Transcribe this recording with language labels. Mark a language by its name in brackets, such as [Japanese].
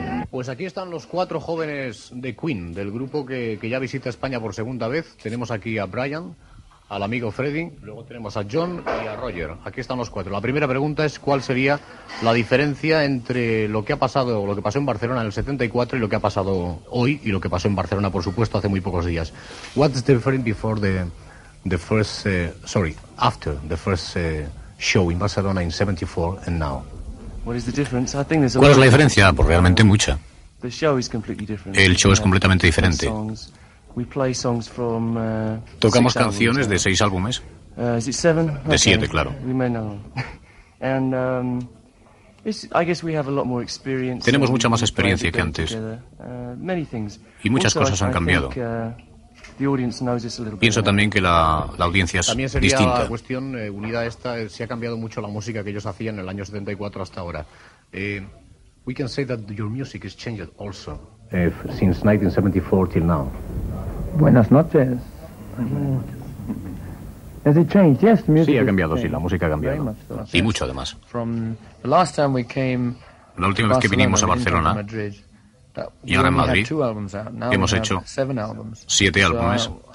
[Spanish] Pues aquí están los cuatro jóvenes de Queen, del grupo que ya visita España por segunda vez. Tenemos aquí a Brian, al amigo Freddy, luego tenemos a John y a Roger. Aquí están los cuatro. La primera pregunta es, ¿cuál sería la diferencia entre lo que ha pasado, lo que pasó en Barcelona en el 74 y lo que ha pasado hoy, y lo que pasó en Barcelona, por supuesto, hace muy pocos días? [English] What's the difference before the first show in Barcelona in 74 and now? What is the difference? I think there's a [Spanish] ¿Cuál es la diferencia? Pues realmente mucha. [English] The show is completely different. [Spanish] El show es completamente diferente. [English] We play songs from, [Spanish] tocamos canciones de seis álbumes. [English] Is it seven? [Spanish] De okay. Siete, claro. [English] We may know. And I guess we have a lot more experience. Tenemos mucha más experiencia que antes. Many things. [Spanish] Y muchas [English] also, [Spanish] cosas han cambiado. [English] The audience knows this a little bit. [Spanish] Pienso también que la audiencia es también sería distinta. La cuestión unida a esta, si ha cambiado mucho la música que ellos hacían en el año 74 hasta ahora. We can say that your music has changed also since 1974 till now. Buenas noches. Has it changed? Yes, the music. Sí, ha cambiado, sí, la música ha cambiado. Y mucho además. From the last time we came, la última vez que vinimos a Barcelona, y ahora en Madrid, hemos hecho siete álbumes.